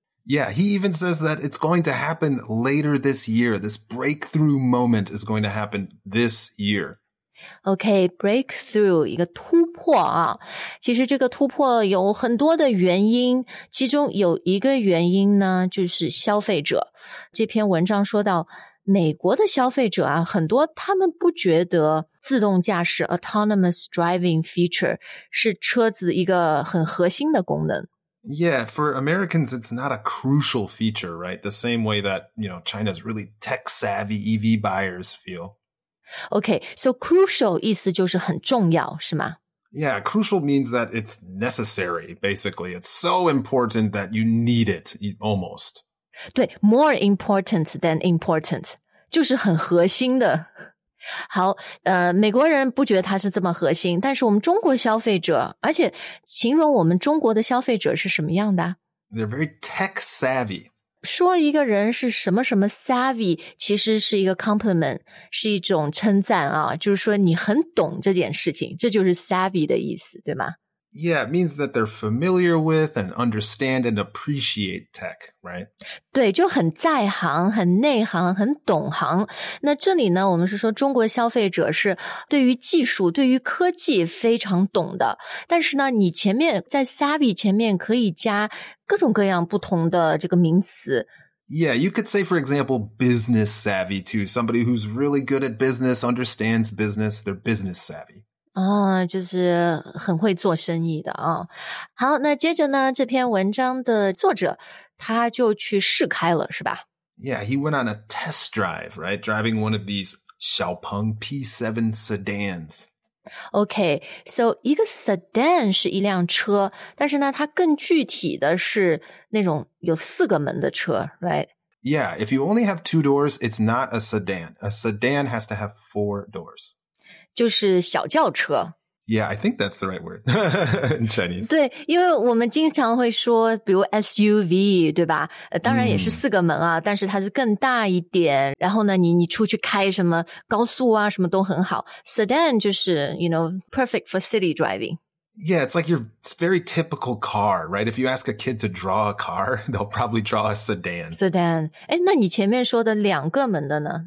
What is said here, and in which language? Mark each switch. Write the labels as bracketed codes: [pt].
[en] Yeah, he even says that it's going to happen later this year. This breakthrough moment is going to happen this year. Okay, breakthrough, [zh] 一个突破啊。其实这个突破有很多的原因，其中有一个原因呢，就是消费者。这篇文章说到美国的消费者啊，很多他们不觉得自动驾驶 [en] autonomous driving feature [zh] 是车子一个很核心的功能。 [en] Yeah, for Americans, it's not a crucial feature, right? The same way that, you know, China's really tech-savvy EV buyers feel. Okay, so crucial [zh] 意思就是很重要，是吗？ [en] Yeah, crucial means that it's necessary, basically. It's so important that you need it, almost. [zh] 对 , [en] more important than important, [zh] 就是很核心的。好，美国人不觉得它是这么核心，但是我们中国消费者，而且形容我们中国的消费者是什么样的？ [en] They're very tech savvy. [zh] 说一个人是什么什么 savvy, 其实是一个 compliment, 是一种称赞啊，就是说你很懂这件事情，这就是 savvy 的意思，对吗？ [en] Yeah, it means that they're familiar with and understand and appreciate tech, right? [zh] 对，就很在行，很内行，很懂行。那这里呢，我们是说中国消费者是对于技术，对于科技非常懂的。但是呢，你前面在 savvy 前面可以加各种各样不同的这个名词。 [en] Yeah, you could say, for example, business savvy too. Somebody who's really good at business, understands business, they're business savvy. [zh] 啊、哦，就是很会做生意的啊。好，那接着呢，这篇文章的作者他就去试开了，是吧 [en] ？Yeah, he went on a test drive, right? Driving one of these XPeng P7 sedans. Okay, so [zh] 一个 sedan 是一辆车，但是呢，它更具体的是那种有四个门的车 ， [en] right? Yeah, if you only have two doors, it's not a sedan. A sedan has to have four doors. [zh] 就是小轿车。 [en] Yeah, I think that's the right word in Chinese. [zh] 对，因为我们经常会说，比如 SUV, 对吧？当然也是四个门啊，但是它是更大一点。然后呢，你出去开什么高速啊，什么都很好。 [en] Sedan [zh] 就是 [en] you know perfect for city driving. Yeah, it's like your very typical car, right? If you ask a kid to draw a car, they'll probably draw a sedan. Sedan. [zh] 哎，那你前面说的两个门的呢？